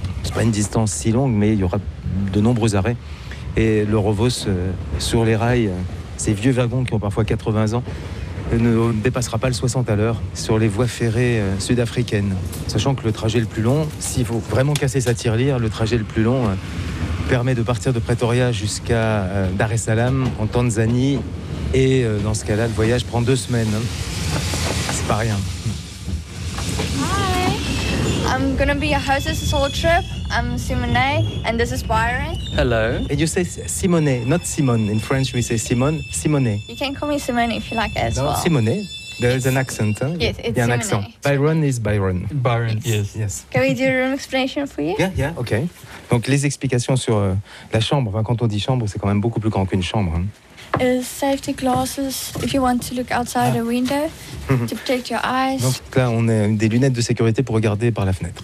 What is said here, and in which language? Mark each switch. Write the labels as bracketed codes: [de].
[fr] C'est pas une distance si longue, mais il y aura de nombreux arrêts. Et le Rovos, sur les rails, ces vieux wagons qui ont parfois 80 ans, ne dépassera pas le 60 à l'heure sur les voies ferrées sud-africaines. Sachant que le trajet le plus long, s'il faut vraiment casser sa tirelire, le trajet le plus long permet de partir de Pretoria jusqu'à Dar es Salaam, en Tanzanie. Et dans ce cas-là, le voyage prend 2 semaines. C'est pas rien. [en] I'm gonna be your hostess this whole trip. I'm Simone, and this is Byron. Hello. And you say Simone, not Simone. In French, we say Simone, Simone. You can call me Simone if you like it as no, well. No, Simone. There is an accent. Huh? Yes, it's Simone. Accent. Byron is Byron. Byron, yes. Can we do a room explanation for you? Yeah, okay. [fr] Donc, les explications sur la chambre. Enfin, quand on dit chambre, c'est quand même beaucoup plus grand qu'une chambre. Hein. [en] Safety glasses if you want to look outside the window to protect your eyes. [fr] Donc là, on a des lunettes de sécurité pour regarder par la fenêtre.